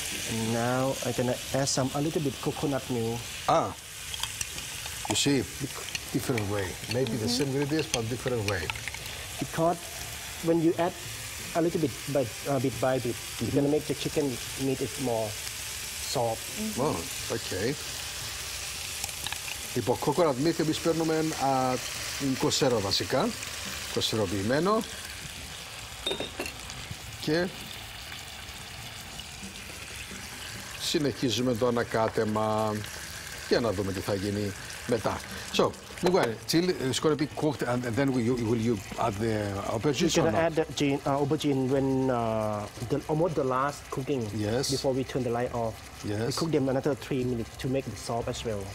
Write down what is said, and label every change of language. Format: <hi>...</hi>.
<en>And now I'm going to add some, a little bit coconut meal. Ah, you see, different way. Maybe mm-hmm. the same ingredients, but different way. Because when you add a little bit, bit by bit, mm-hmm. you're going to make the chicken meat it more soft. Mm-hmm. Oh, okay.</en> <el>Λοιπόν,</el> <en>coconut meat</en> <el>εμείς παίρνουμε κοσέρο βασικά, κοσεροποιημένο και συνεχίζουμε το ανακάτεμα για να δούμε τι θα γίνει μετά.</el> <en>So, Miguel, chili is going to be cooked and then will you add the aubergines or not? You can add the aubergine when almost the last cooking yes. before we turn the light off. Yes. We cook them another 3 minutes to make the soup as well.</en>